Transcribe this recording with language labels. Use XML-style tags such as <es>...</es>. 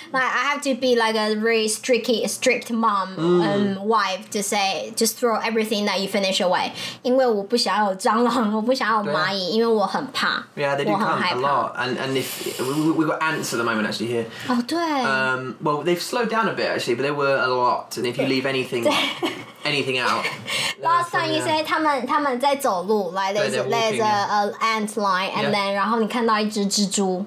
<en>Like I have to be like a really strict mom and、wife to say just throw everything that you finish away.</en> <zh>因为我不想要有蟑螂，我不想要蚂蚁，因为我很怕。</zh> <en>Yeah, they do come a lot. And if we got ants at the moment actually here. Oh, 对。 Well, they've slowed down a bit actually, but there were a lot. And if you leave anything. Anything out. Last time you say</en> <zh>他们在走路</zh> <en>like there's an ant line and then</en> <zh>然后你看到一只蜘蛛</zh>